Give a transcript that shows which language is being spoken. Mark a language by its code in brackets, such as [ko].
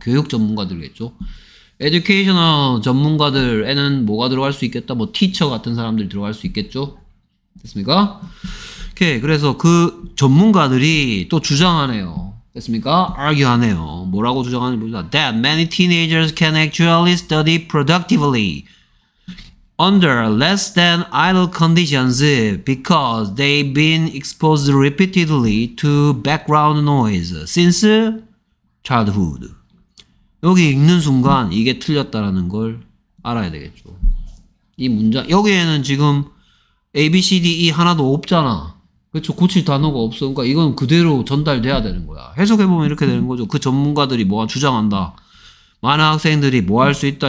[ko] 교육 전문가들겠죠. educational 전문가들에는 뭐가 들어갈 수 있겠다. 뭐 teacher 같은 사람들이 들어갈 수 있겠죠. 됐습니까? 오케이. 그래서 그 전문가들이 또 주장하네요. 됐습니까? argue 하네요. 뭐라고 주장하는지 보자. [en] That many teenagers can actually study productively under less than ideal conditions because they've been exposed repeatedly to background noise since childhood. [ko] 여기 읽는 순간 이게 틀렸다라는 걸 알아야 되겠죠. 이 문장 여기에는 지금 A, B, C, D, E 하나도 없잖아. 그렇죠. 고칠 단어가 없어. 그러니까 이건 그대로 전달돼야 되는 거야. 해석해보면 이렇게 되는 거죠. 그 전문가들이 뭐 주장한다. 많은 학생들이 뭐 할 수 있다.